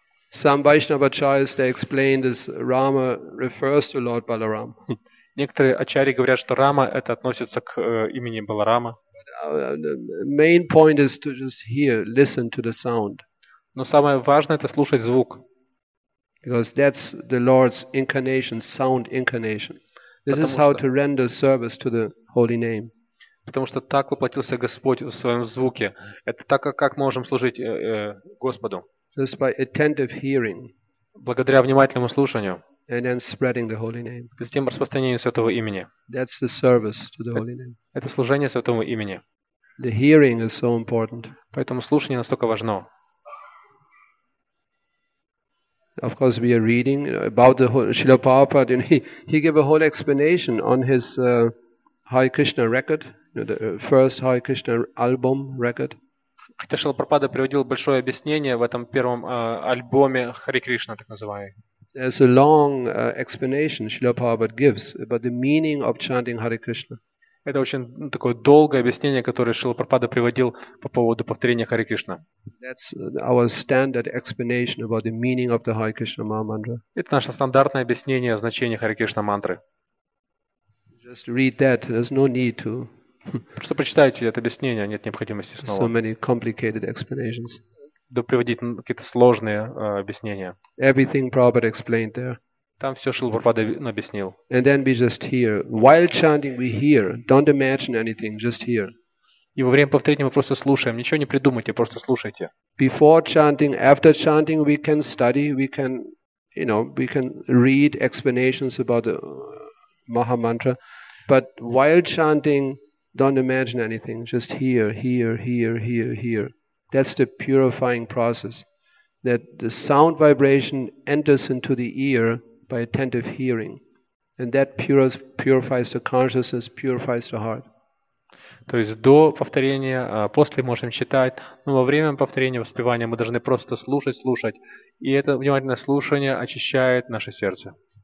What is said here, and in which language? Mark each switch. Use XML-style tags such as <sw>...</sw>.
<en>Some Vaishnava acharyas they explain this Rama refers to Lord Balaram.</en> <ru>Некоторые ачарьи говорят, что Рама это относится к имени Баларама.</ru> <en>The main point is to just hear, listen to the sound.</en> <ru>Но самое важное это слушать звук.</ru> <en>Because that's the Lord's incarnation, sound incarnation. This is how to render service to the holy name.</en> <ru>Потому что так воплотился Господь в своем звуке. Это так, как можем служить Господу.</ru> <en>Just by attentive hearing,</en> <ru>благодаря внимательному слушанию,</ru> <en>and then spreading the holy name,</en> <ru>затем распространению святого имени.</ru> <en>That's the service to the holy name.</en> <ru>Это служение святому имени.</ru> <en>The hearing is so important.</en> <ru>Поэтому слушание настолько важно.</ru> <en>Of course, we are reading about the Srila Prabhupada. He gave a whole explanation on his Hare Krishna record, the first Hare Krishna album record.</en> <ru>Хотя Шрила Прабхупада приводил большое объяснение в этом первом альбоме Хари Кришна, так называемый. Это очень такое долгое объяснение, которое Шрила Прабхупада приводил по поводу повторения Хари Кришна. Это наше стандартное объяснение значения Хари Кришна мантры.</ru> <en>Just read that. There's no need to.</en> <ru>Просто прочитайте это объяснение, нет необходимости снова.</ru> <en>So many complicated explanations.</en> <ru>Да приводить какие-то сложные объяснения.</ru> <en>Everything Prabhupada explained there.</en> <ru>Там все Шрила Прабхупада объяснил.</ru> <en>And then we just hear. While chanting, we hear. Don't imagine anything, just hear.</en> <ru>И во время повторения мы просто слушаем, ничего не придумайте, просто слушайте.</ru> <en>Before chanting, after chanting, we can study, we can, you know, we can read explanations about the Maha Mantra, but while chanting. Don't imagine anything. Just hear, hear, hear, hear, hear. That's the purifying process. That the sound vibration enters into the ear by attentive hearing. And that purifies the consciousness, purifies the heart.</en> <ru>То есть до повторения, после можем читать, но во время повторения, воспевания мы должны просто слушать, слушать. И это внимательное слушание очищает наше сердце.</ru>